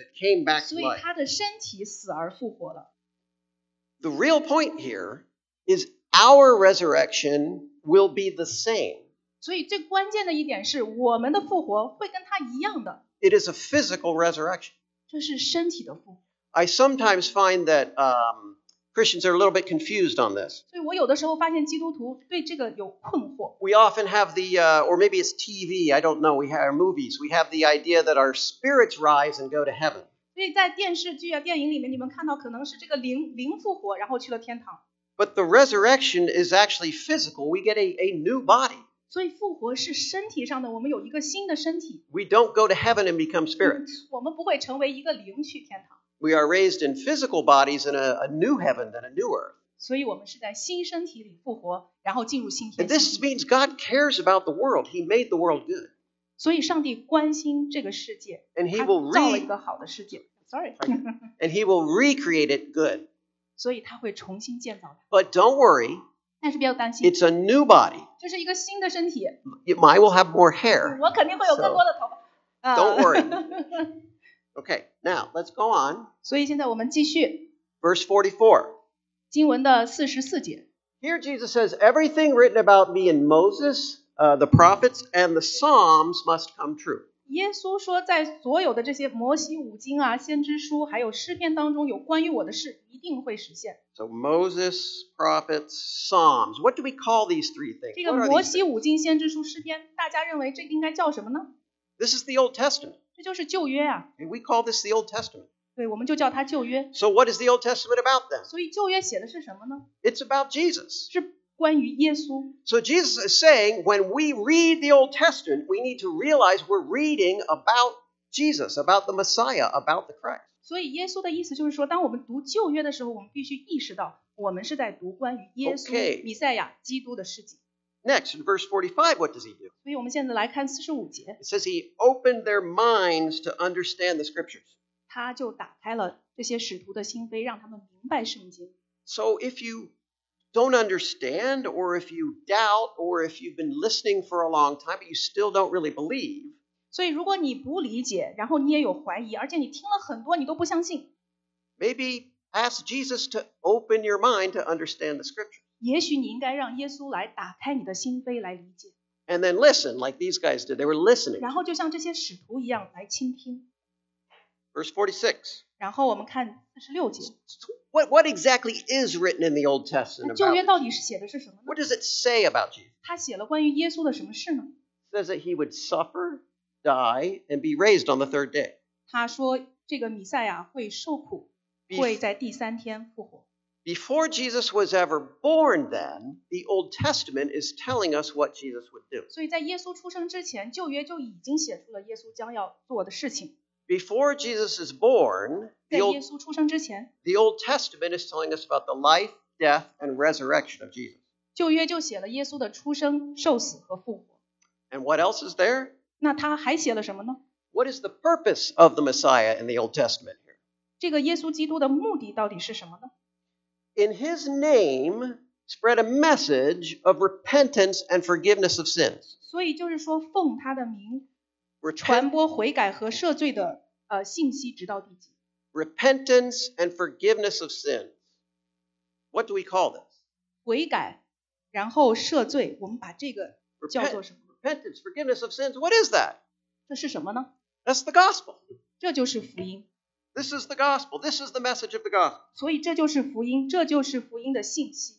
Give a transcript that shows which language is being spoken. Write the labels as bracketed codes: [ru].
[en] It came back to life. [zh] 所以他的身体死而复活了。 [en] The real point here is our resurrection will be the same. [zh] 所以最关键的一点是我们的复活会跟他一样的。 [en] It is a physical resurrection. [zh] 这是身体的复活。 [en] I sometimes find that Christians are a little bit confused on this. [zh] 所以我有的时候发现基督徒对这个有困惑。 [en] We often have the, or maybe it's TV, I don't know, we have our movies, we have the idea that our spirits rise and go to heaven. [zh] 所以在电视剧啊电影里面你们看到可能是这个灵复活然后去了天堂。 [en] But the resurrection is actually physical, we get a new body. [zh] 所以复活是身体上的我们有一个新的身体。 [en] We don't go to heaven and become spirits. [zh] 我们不会成为一个灵去天堂。 [en] We are raised in physical bodies in a new heaven and a new earth. [zh] 所以我们是在新身体里复活，然后进入新天。 [en] And this means God cares about the world. He made the world good. [zh] 所以上帝关心这个世界。 [en] And he will [zh] re- 他造了一个好的世界。 [en] Sorry. And he will recreate it good. [zh] 所以他会重新建造它。 [en] But don't worry. [zh] 但是不要担心。 [en] It's a new body. [zh] 这是一个新的身体。 [en] I will have more hair. [zh] 我肯定会有更多的头发。 [en] Don't worry. Okay, now let's go on. [zh] 所以现在我们继续。 [en] Verse 44. [zh] 经文的四十四节。 [en] Here Jesus says, everything written about me in Moses, the prophets, and the Psalms must come true. [zh] 耶稣说在所有的这些摩西五经啊先知书还有诗篇当中有关于我的事一定会实现。 [en] So Moses, prophets, Psalms. What do we call these three things? [zh] 这个摩西五经先知书诗篇大家认为这应该叫什么呢? [en] This is the Old Testament. [zh] 这就是旧约啊。 [en] And we call this the Old Testament. [zh] 对，我们就叫它旧约。 [en] So what is the Old Testament about then? [zh] 所以旧约写的是什么呢? [en] It's about Jesus. [zh] 是关于耶稣。 [en] So Jesus is saying, when we read the Old Testament, we need to realize we're reading about Jesus, about the Messiah, about the Christ. [zh] 所以耶稣的意思就是说，当我们读旧约的时候，我们必须意识到，我们是在读关于耶稣、 [en] okay. [zh] 弥赛亚、基督的事迹。 [en] Next, in verse 45, what does he do? [zh] 所以我们现在来看45节。 [en] It says he opened their minds to understand the scriptures. [zh] 他就打开了这些使徒的心扉，让他们明白圣经。 [en] So if you don't understand, or if you doubt, or if you've been listening for a long time, but you still don't really believe. [zh] 所以如果你不理解，然后你也有怀疑，而且你听了很多，你都不相信。 [en] Maybe ask Jesus to open your mind to understand the scriptures. [zh] 也许你应该让耶稣来打开你的心扉来理解。 [en] And then listen, like these guys did. They were listening. [zh] 然后就像这些使徒一样来倾听。 [en] Verse 46. [zh] 然后我们看46节。 [en] What exactly is written in the Old Testament about? [zh] 旧约到底是写的是什么呢? [en] What does it say about Jesus? [zh] 他写了关于耶稣的什么事呢? [en] Says that he would suffer, die, and be raised on the third day. [zh] 他说这个弥赛亚会受苦，会在第三天复活。 [en] Before Jesus was ever born then, the Old Testament is telling us what Jesus would do. [zh] 所以在耶稣出生之前，旧约就已经写出了耶稣将要做的事情。 [en] Before Jesus is born, [zh] 在耶稣出生之前, [en] the Old Testament is telling us about the life, death, and resurrection of Jesus. [zh] 旧约就写了耶稣的出生、受死和复活。 [en] And what else is there? [zh] 那他还写了什么呢? [en] What is the purpose of the Messiah in the Old Testament here? [zh] 这个耶稣基督的目的到底是什么呢? [en] In his name, spread a message of repentance and forgiveness of sins. [zh] 所以就是说，奉他的名，传播悔改和赦罪的信息，直到地极。 [en] Repentance and forgiveness of sins. What do we call this? [zh] 悔改，然后赦罪，我们把这个叫做什么 [en] ？Repentance, forgiveness of sins. What is that? [zh] 这是什么呢 [en] ？That's the gospel. [zh] 这就是福音。 [en] This is the gospel. This is the message of the gospel. [zh] 所以这就是福音，这就是福音的信息。